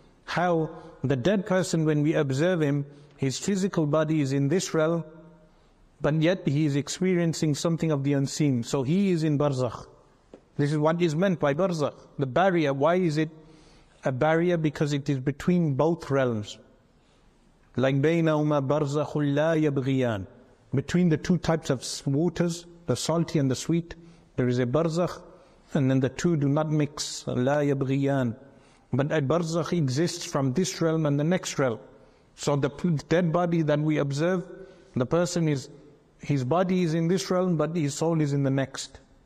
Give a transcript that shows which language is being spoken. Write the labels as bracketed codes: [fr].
[en] How the dead person, when we observe him, his physical body is in this realm, but yet he is experiencing something of the unseen. So he is in Barzakh. This is what is meant by Barzakh. The barrier, why is it a barrier? Because it is between both realms. [ar] Like بَيْنَهُمَا بَرْزَخُ لَا يَبْغِيَانَ. [en] Between the two types of waters, the salty and the sweet, there is a barzakh, and then the two do not mix. [ar] لَا يَبْغِيَانَ. [en] But a barzakh exists from this realm and the next realm. So the dead body that we observe, the person is, his body is in this realm, but his soul is in the next.